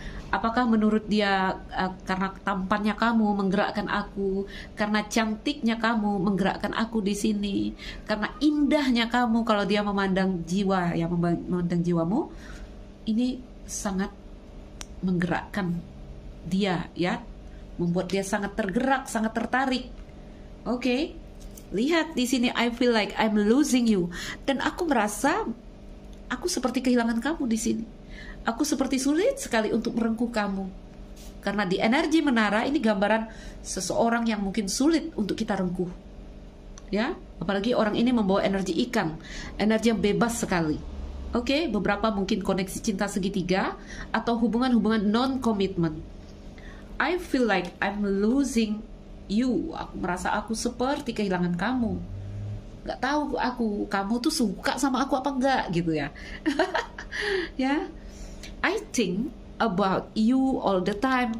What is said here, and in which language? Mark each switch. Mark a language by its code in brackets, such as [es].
[id] Apakah menurut dia karena tampannya kamu menggerakkan aku, karena cantiknya kamu menggerakkan aku di sini, karena indahnya kamu kalau dia memandang jiwa, ya memandang jiwamu, ini sangat menggerakkan dia, ya. Membuat dia sangat tergerak, sangat tertarik. Oke. Lihat di sini, [en] I feel like I'm losing you. [id] Dan aku merasa aku seperti kehilangan kamu di sini. Aku seperti sulit sekali untuk merengkuh kamu. Karena di energi menara ini gambaran seseorang yang mungkin sulit untuk kita rengkuh. Ya, apalagi orang ini membawa energi ikan, energi yang bebas sekali. Oke, beberapa mungkin koneksi cinta segitiga atau hubungan-hubungan non-commitment. [en] I feel like I'm losing you. [id] Aku merasa aku seperti kehilangan kamu. Gak tahu aku, kamu tuh suka sama aku apa enggak gitu ya. [en] Ya, yeah. I think about you all the time.